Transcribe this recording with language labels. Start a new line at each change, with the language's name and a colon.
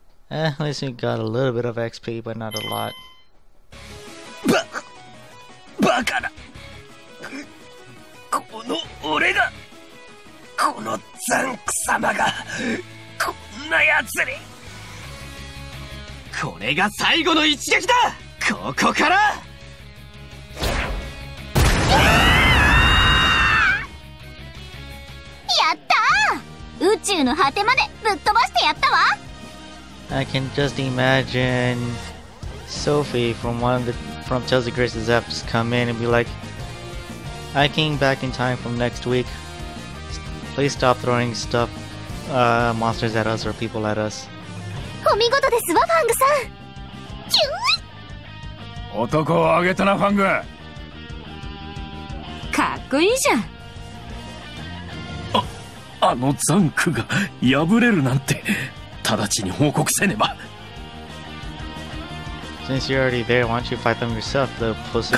English: At least we got a little bit of XP, but not a lot.
Japanese: バカだ。この俺が、このザンク様が、こんなやつに。これが最後の一撃だ。ここから。やったー、宇宙の果てまでぶっ飛ばしてやったわ。
English: I can just imagine Sophie from one of theFrom Tales of Grace's apps come in and be like, I came back in time from next week. Please stop throwing stuff, monsters at us or people at us.
Japanese: お見事ですわ、ファングさん。キュ男をあげたな、ファング。かっこいいじゃん。あのザンクが破れるなんて、直ちに報告せねば。
English: Since you're already there, why don't you fight them yourself, the pussy?